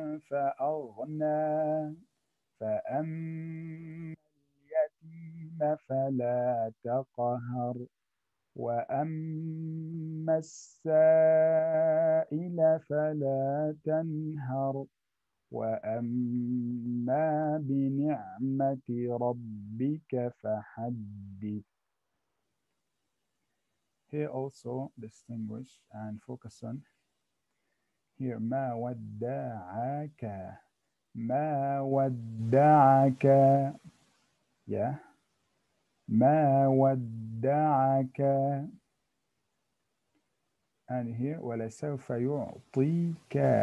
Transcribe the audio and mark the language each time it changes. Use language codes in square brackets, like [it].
[ar] فأغنى فأما اليتيم فلا تقهر وأما السائل فلا تنهر وأما بنعمة ربك فحدث. [en] Here also distinguish and focus on. Here, [ar] ما ودعك. ما ودعك. [en] Yeah. [ar] ما ودعك. [en] And here, [ar] ولسوف يعطيك.